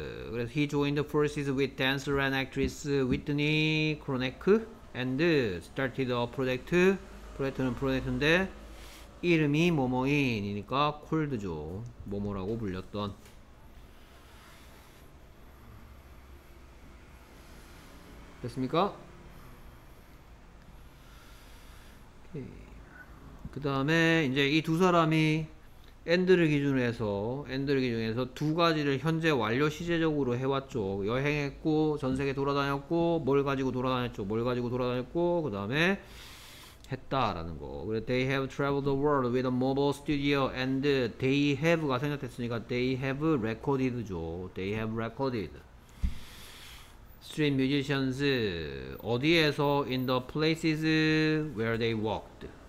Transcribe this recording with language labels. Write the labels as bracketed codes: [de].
[en] 그래서 he joined the forces with dancer and actress Whitney Kroenke and started a project. [ko] 프로젝트는 프로젝트인데 이름이 뭐뭐인이니까 콜드죠. 뭐뭐라고 불렸던. 됐습니까? 그 다음에 이제 이두 사람이 엔드를 기준으로 해서 두 가지를 현재 완료 시제적으로 해왔죠. 여행했고, 전 세계 돌아다녔고, 뭘 가지고 돌아다녔죠. 뭘 가지고 돌아다녔고, 그 다음에 했다라는 거. [en] 그래, they have traveled the world with a mobile studio and they have가 [ko] 생략됐으니까 [en] they have recorded죠. They have recorded. Street musicians, [ko] 어디에서 [en] in the places where they walked.